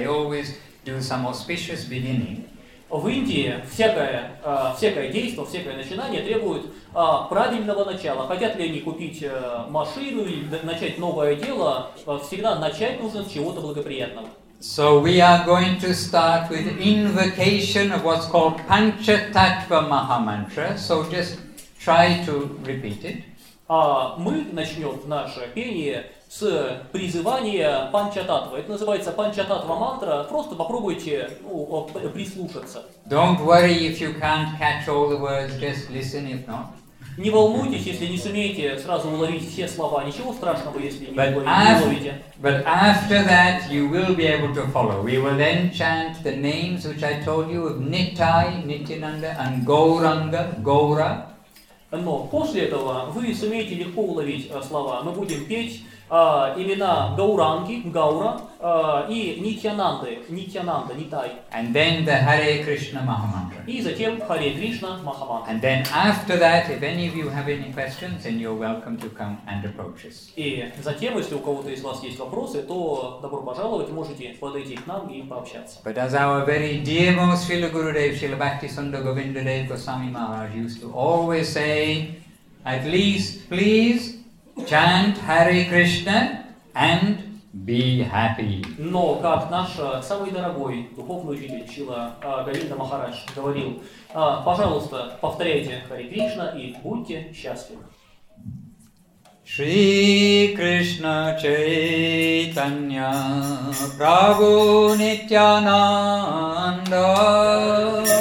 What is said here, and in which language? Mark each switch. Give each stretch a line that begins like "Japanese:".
English: They always do some auspicious beginning.
Russian: В Индии всякое действие, всякое начинание требует правильного начала. Хотят ли они купить машину или начать новое дело, всегда начать нужно с чего-то благоприятного.
English: So we are going to start with invocation of what's called Panchatattva Mahamantra. So just try to repeat it.
Russian: Мы начнем наше пение с призывания Панчататва. Это называется Панчататва мантра. Просто попробуйте прислушаться.
English: Don't worry if you can't catch all the words. Just listen if not.
Russian: Не волнуйтесь, если не сумеете сразу уловить все слова. Ничего страшного, если не уловите.
English: But after that you will be able to follow. We will then chant the names which I told you of Nittai, Nityananda and Gauranga, Gaura.
Russian: Но после этого вы сумеете легко уловить слова. Мы будем петь имена Гауранги, Гаура, и Нитьянанды, Нитьянанда, Нитай.
English: And then the Hare Krishna Mahamantra.
Russian: И затем Hare Krishna Mahamantra.
English: And then after that, if any of you have any questions, then you're welcome to come and approach us.
Russian: И затем, если у кого-то из вас есть вопросы, то добро пожаловать, можете подойти к нам и пообщаться.
English: But as our very dear most Srila Gurudev, Srila Bhakti Sundar Govindadev Goswami Maharaj used to always say, at least, please, chant Hare Krishna and be happy.
Russian: Но как наш самый дорогой духовный учитель Шрила Говинда Махарадж говорил, пожалуйста, повторяйте Хари Кришна и будьте счастливы. Шри Кришна Чайтанья Прабху Нитьянанда.